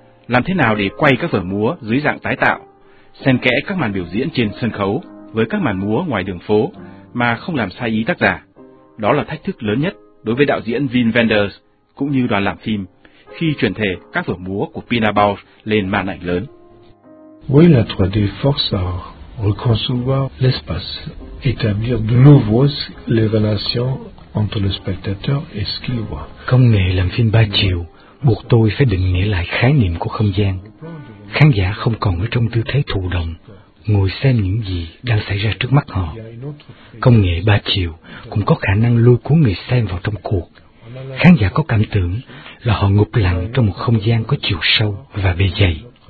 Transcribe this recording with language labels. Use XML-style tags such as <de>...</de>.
<vi>Làm thế nào để quay các vở múa dưới dạng tái tạo, xen kẽ các màn biểu diễn trên sân khấu với các màn múa ngoài đường phố mà không làm sai ý tác giả? Đó là thách thức lớn nhất đối với đạo diễn Wim Wenders cũng như đoàn làm phim khi chuyển thể các vở múa của Pina Bausch lên màn ảnh lớn.</vi> <fr>Oui, la 3D force à reconcevoir l'espace, établir de nouveau les relations entre le spectateur et ce qu'il voit.</fr> <vi>Công nghệ làm phim ba chiều buộc tôi phải định nghĩa lại khái niệm của không gian. Khán giả không còn ở trong tư thế thụ động, ngồi xem những gì đang xảy ra trước mắt họ. Công nghệ ba chiều cũng có khả năng lôi cuốn người xem vào trong cuộc. Khán giả có cảm tưởng là họ ngụp lặng trong một không gian có chiều sâu và bề dày.</vi>